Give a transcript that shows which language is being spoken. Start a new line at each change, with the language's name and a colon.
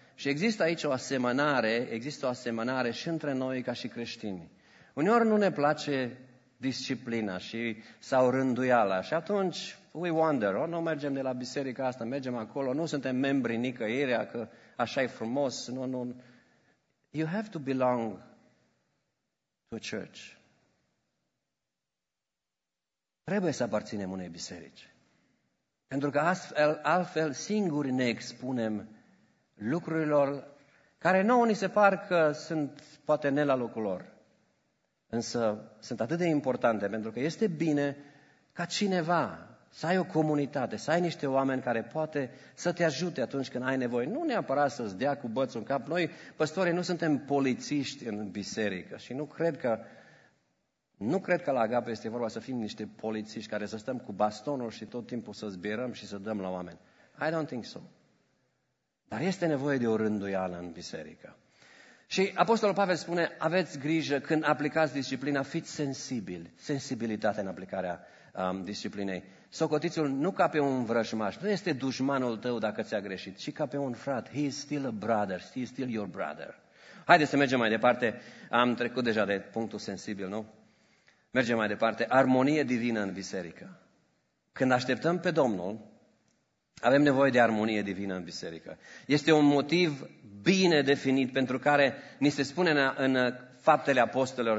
Romanian: Și există aici o asemănare, există o asemănare și între noi ca și creștini. Uneori nu ne place disciplina și sau rânduiala și atunci
English: we wonder,
Romanian: nu mergem de la biserica asta, mergem acolo, nu suntem membri nicăieri, că așa e frumos, nu.
English: You have to belong to a church.
Romanian: Trebuie să aparținem unei biserici. Pentru că altfel singuri ne expunem lucrurilor care nouă ni se par că sunt poate ne la locul lor. Însă sunt atât de importante, pentru că este bine ca cineva să ai o comunitate, să ai niște oameni care poate să te ajute atunci când ai nevoie. Nu neapărat să-ți dea cu bățul în cap. Noi, păstorii, nu suntem polițiști în biserică și nu cred că la Agape este vorba să fim niște polițiști care să stăm cu bastonul și tot timpul să zbierăm și să dăm la oameni.
English: I don't think so.
Romanian: Dar este nevoie de o rânduială în biserică. Și Apostolul Pavel spune, aveți grijă când aplicați disciplina, fiți sensibili, sensibilitate în aplicarea disciplinei. Socotiți-l nu ca pe un vrăjmaș, nu este dușmanul tău dacă ți-a greșit, ci ca pe un frat.
English: He is still a brother, he is still your brother.
Romanian: Haideți să mergem mai departe, am trecut deja de punctul sensibil, nu? Mergem mai departe, armonie divină în biserică. Când așteptăm pe Domnul, avem nevoie de armonie divină în biserică. Este un motiv bine definit pentru care ni se spune în Faptele Apostolilor.